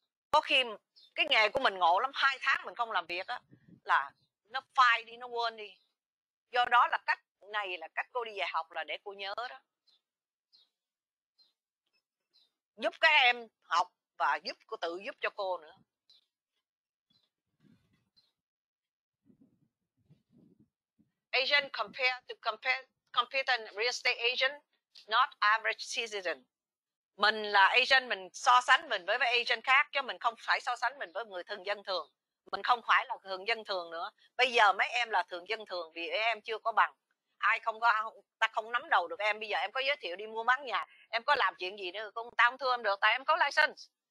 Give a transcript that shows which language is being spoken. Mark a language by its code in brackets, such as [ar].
[vi] Có khi cái nghề của mình ngộ lắm, 2 tháng mình không làm việc á, là nó phai đi, nó quên đi. Do đó là cách này là cách cô đi dạy học là để cô nhớ đó, giúp các em học và giúp cô, tự giúp cho cô nữa. [en] Agent compared to competent real estate agent, not average citizen. [vi] Mình là agent, mình so sánh mình với agent khác, chứ mình không phải so sánh mình với người thường dân thường. Mình không phải là thường dân thường nữa. Bây giờ mấy em là thường dân thường vì em chưa có bằng. Ai không có, ta không nắm đầu được em. Bây giờ em có giới thiệu đi mua bán nhà, em có làm chuyện gì nữa, ta không thương em được, tại em có license.